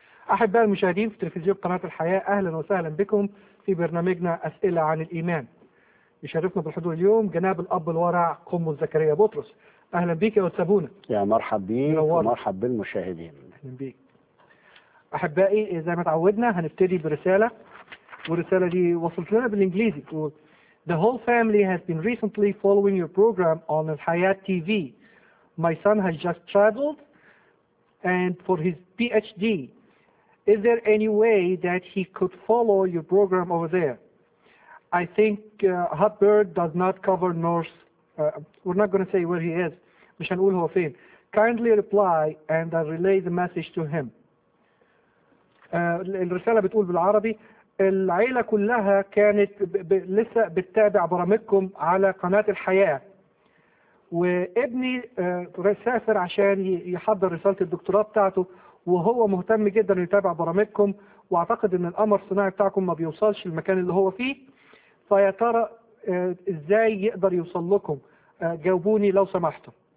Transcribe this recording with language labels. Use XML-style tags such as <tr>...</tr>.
<ar>أحبائي المشاهدين في تلفزيون قناة الحياة، أهلا وسهلا بكم في برنامجنا أسئلة عن الإيمان. يشرفنا بالحضور اليوم جناب الأب الورع قنبل زكريا بطرس. أهلا بك يا أستاذ أبونا. يا مرحب بيك ومرحب بالمشاهدين. أهلا بك أحبائي. زي ما تعودنا هنبتدي برسالة، والرسالة دي وصلت لنا بالإنجليزي.</ar> <en>The whole family has been recently following your program on Al-Hayat TV. My son has just traveled and for his PhD. Is there any way that he could follow your program over there? I think Hotbird does not cover North. We're not going to say where he is.</en> <ar>مش هنقول هو فين.</ar> <en>Kindly reply and I relay the message to him.</en> <ar>الرسالة بتقول بالعربي، العيلة كلها كانت لسه بتتابع برامجكم على قناة الحياة، وابني سافر عشان يحضر رسالة الدكتوراه بتاعته، وهو مهتم جدا يتابع برامجكم، واعتقد ان القمر الصناعي بتاعكم ما بيوصلش المكان اللي هو فيه، فيا ترى ازاي يقدر يوصل لكم؟ جاوبوني لو سمحتم.</ar>